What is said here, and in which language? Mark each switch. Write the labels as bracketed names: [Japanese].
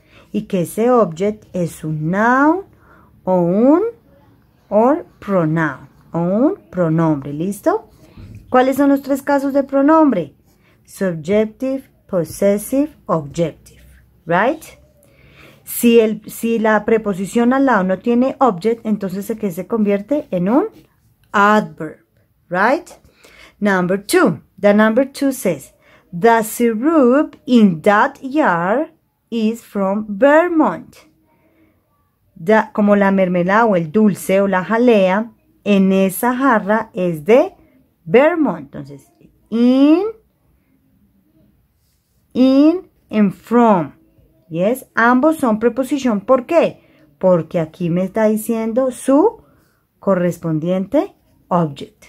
[Spanish] Y que ese object es un noun o un [English] or pronoun [Spanish] o un pronombre. ¿Listo? ¿Cuáles son los tres casos de pronombre? [English] Subjective, possessive, objective. ¿Right? [Spanish] Si la preposición al lado no tiene object, entonces ¿qué se convierte? En un adverb. [English] ¿Right? Number two. The number two says, the syrup in that jar is from Vermont. [Spanish] Como la mermelada o el dulce o la jalea en esa jarra es de Vermont. [English] Entonces, in and from. Yes, [Spanish] ambos son preposición. ¿Por qué? Porque aquí me está diciendo su correspondiente object.